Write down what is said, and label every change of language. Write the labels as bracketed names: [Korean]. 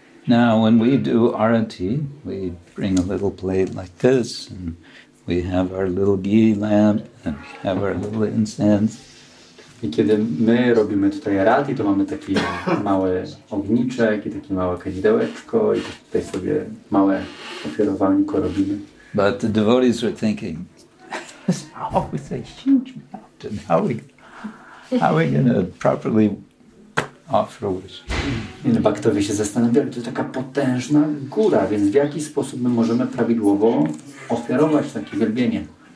[English] Now, when we do arati, we bring a little plate like this and we have our little ghee lamp and we have our little incense. [Polish] I kiedy my robimy tutaj arati, to mamy taki mały ogniczek i takie małe kadzidełeczko i tutaj sobie małe ofiarowanko robimy. [English] But the devotees were thinking, oh, it's a huge mountain. How are we going to properly offer worship? [Polish] I na baktowie się zastanawiali, to jest taka potężna góra, więc w jaki sposób my możemy prawidłowo ofiarować takie wielbienie.